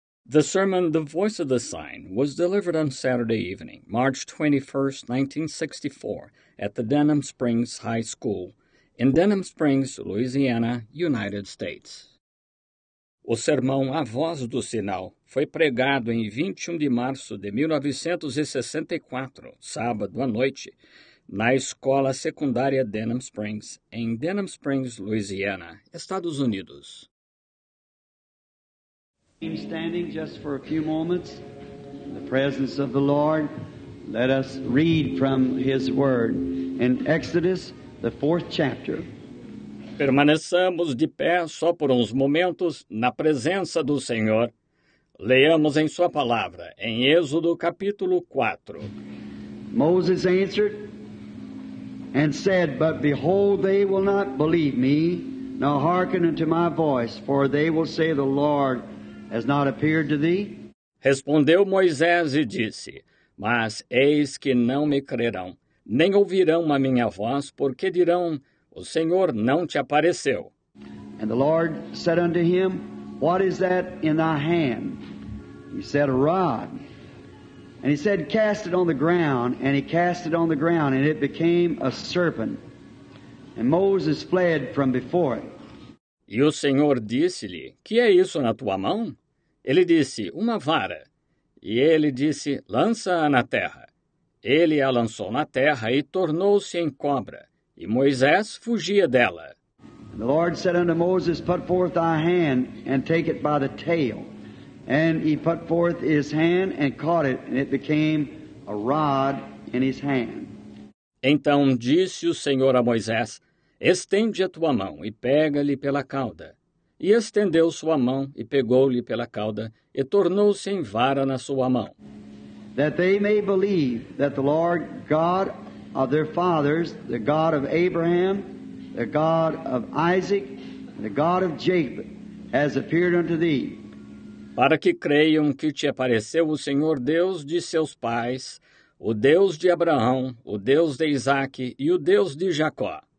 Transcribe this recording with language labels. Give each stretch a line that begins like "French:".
English: The sermon, The Voice of the Sign, was delivered on Saturday evening, March 21, 1964, at the Denham Springs High School in Denham Springs, Louisiana, United States.
Portuguese: O sermão A Voz do Sinal foi pregado em 21 de março de 1964, sábado à noite, na Escola Secundária Denham Springs, em Denham Springs, Louisiana, Estados Unidos.
English: Keep standing just for a few moments in the presence of the Lord. Let us read from His Word in Exodus, the 4th chapter.
Portuguese: Permaneçamos de pé só por uns momentos na presença do Senhor. Leamos em Sua palavra, em Êxodo, capítulo 4.
English: Moses answered and said, But behold, they will not believe me, nor hearken unto my voice, for they will say, The Lord has not appeared to thee?
Portuguese: Respondeu Moisés e disse, Mas eis que não me crerão, nem ouvirão a minha voz, porque dirão, O Senhor não te apareceu.
English: And the Lord said unto him, What is that in thy hand? He said, A rod. And he said, Cast it on the ground. And he cast it on the ground, and it became a serpent. And Moses fled from before it.
Portuguese: E o Senhor disse-lhe, Que é isso na tua mão? Ele disse, Uma vara. E ele disse, Lança-a na terra. Ele a lançou na terra e tornou-se em cobra. E Moisés fugia dela.
English: And the Lord said unto Moses, Put forth thy hand and take it by the tail. And he put forth his hand and caught it, and it became a rod in his hand.
Portuguese: Então disse o Senhor a Moisés, Estende a tua mão e pega-lhe pela cauda. E estendeu sua mão e pegou-lhe pela cauda, e tornou-se em vara na sua mão.
English: That they may believe that the Lord God of their fathers, the God of Abraham, the God of Isaac, and the God of Jacob, has appeared unto thee.
Portuguese: Para que creiam que te apareceu o Senhor Deus de seus pais, o Deus de Abraão, o Deus de Isaac e o Deus de Jacó.